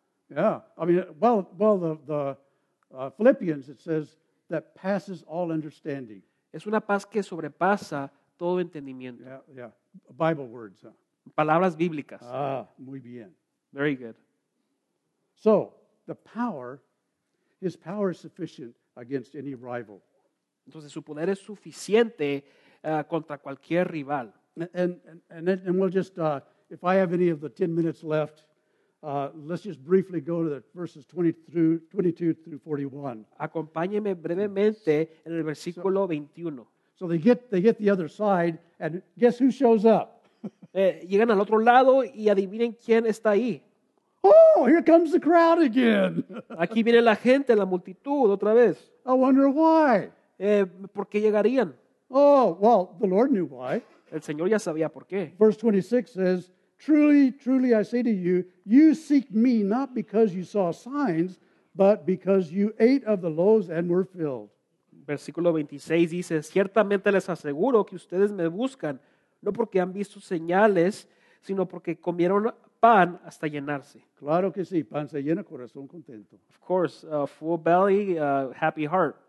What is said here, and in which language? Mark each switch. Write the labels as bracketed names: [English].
[English] Yeah, I mean, well, the Philippians, it says, that passes all understanding. [Spanish] Es una paz que sobrepasa todo entendimiento. [English] Yeah, Bible words. Huh? [Spanish] Palabras bíblicas. Ah, muy bien. [English] Very good. So, the power, his power is sufficient against any rival. [Spanish] Entonces, su poder es suficiente contra cualquier rival. [English] And we'll just, if I have any of the 10 minutes left, let's just briefly go to the verses 22 through 41. [Spanish] Acompáñeme brevemente en el versículo 21. [English] So they get the other side, and guess who shows up? [Spanish] Llegan al otro lado y adivinen quién está ahí. [English] Oh, here comes the crowd again. [Spanish] Aquí viene la gente, la multitud, otra vez. [English] I wonder why. [Spanish] ¿Por qué llegarían? [English] Oh, well, the Lord knew why. [Spanish] El Señor ya sabía por qué. [English] Verse 26 says, truly, truly, I say to you, you seek me not because you saw signs, but because you ate of the loaves and were filled. [Spanish] Versículo 26 dice, ciertamente les aseguro que ustedes me buscan, no porque han visto señales, sino porque comieron pan hasta llenarse. Claro que sí, pan se llena, corazón contento. [English] Of course, a full belly, a happy heart.